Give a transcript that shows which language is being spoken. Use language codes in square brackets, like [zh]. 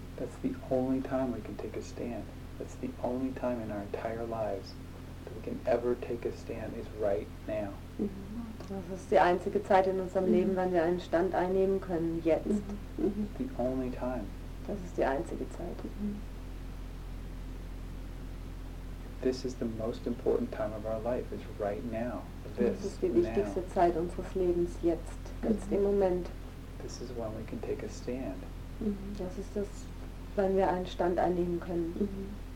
[en] That's the only time we can take a stand. That's the only time in our entire lives that we can ever take a stand is right now. [de] Das ist die einzige Zeit in unserem Leben, wann wir einen Stand einnehmen können, jetzt. [en] The only time. [de] Das ist die einzige Zeit. [en] This is the most important time of our life, is right now. [de] Das ist die wichtigste Zeit unseres Lebens, jetzt, jetzt im Moment. [en] This is when we can take a stand. [de] Das ist das, wenn wir einen Stand einnehmen können.